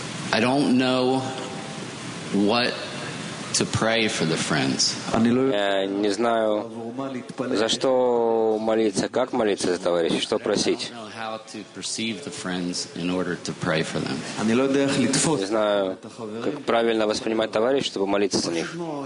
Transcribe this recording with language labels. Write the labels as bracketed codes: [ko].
[en] I don't know what to pray for the friends. [ru] Я не знаю, за что молиться, как молиться за товарищей, что просить. [en] I don't know how to perceive the friends in order to pray for them. [ru] Не знаю, как правильно воспринимать товарищей, чтобы молиться за них.